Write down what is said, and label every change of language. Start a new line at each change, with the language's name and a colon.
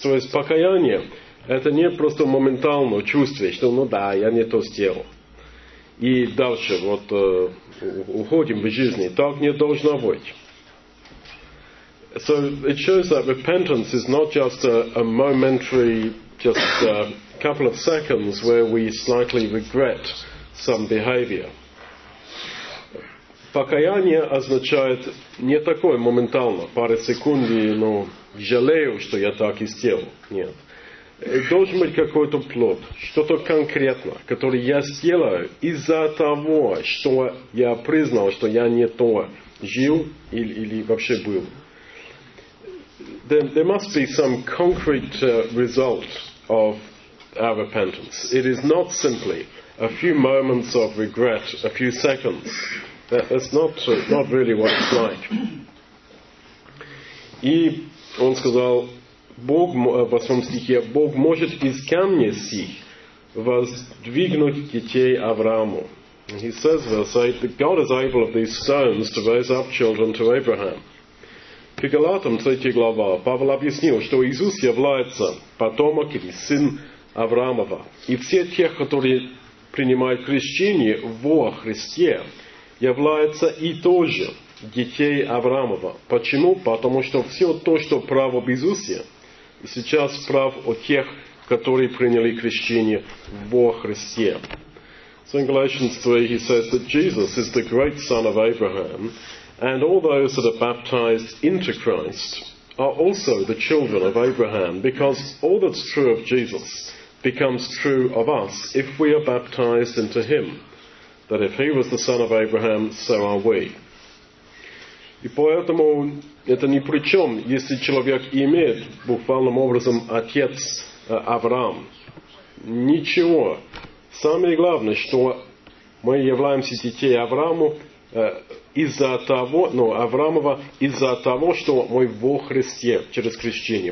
Russian: То есть покаяние это не просто моментальное чувство, что ну да, я не то сделал. И дальше вот уходим в жизни. Так не должно быть.
English: So it shows that repentance is not just a momentary, just a couple of seconds where we slightly regret some behavior.
Russian: Покаяние означает не такое моментально, пару секунд, ну, жалею, что я так и сделал. Нет. Должен быть какой-то плод, что-то конкретно, которое я сделаю из-за того, что я признал, что я не то жил или вообще был.
English: There must be some concrete result of our repentance. It is not simply a few moments of regret, a few seconds. That's not really what it's like.
Russian: И он сказал, Бог, в 8 стихе, Бог может из камня сих воздвигнуть детей Аврааму.
English: He says, God is able of these stones to raise up children to Abraham.
Russian: К Галатам 3 глава Павел объяснил, что Иисус является потомок или сын Авраамова. И все те, которые принимают крещение во Христе, являются и тоже детей Авраамова. Почему? Потому что все то, что право в Иисусе, и сейчас прав о тех, которые приняли крещение во Христе.
English: So in Galatians 3 he says that Jesus is the great son of Abraham, and all those that are baptized into Christ are also the children of Abraham, because all that's true of Jesus becomes true of us if we are baptized into him. That if he was the son of Abraham, so are we.
Russian: И поэтому это ни при чем, если человек имеет буквальным образом отец Авраам. Ничего. Самое главное, что мы являемся детей Аврааму из-за того, ну, Авраамова из-за того, что мы во Христе через крещение.